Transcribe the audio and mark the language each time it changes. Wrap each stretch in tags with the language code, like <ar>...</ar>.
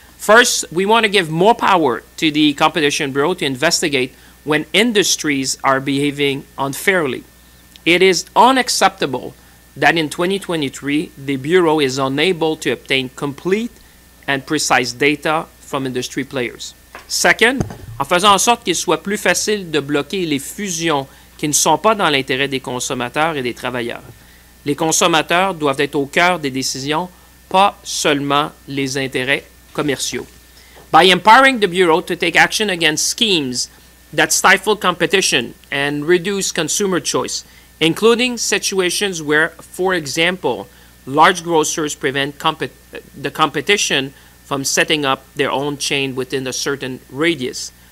<en>First, we want to give more power to the Competition Bureau to investigate when industries are behaving unfairly. It is unacceptable that in 2023, the Bureau is unable to obtain complete and precise data from industry players.</en> <fr>Second, en faisant en sorte qu'il soit plus facile de bloquer les fusions qui ne sont pas dans l'intérêt des consommateurs et des travailleurs. Les consommateurs doivent être au cœur des décisions, pas seulement les intérêts commerciaux.</fr> <en>By empowering the Bureau to take action against schemes that stifle competition and reduce consumer choice, including situations where, for example, large grocers prevent the competition from setting up their own chain within a certain radius.</en>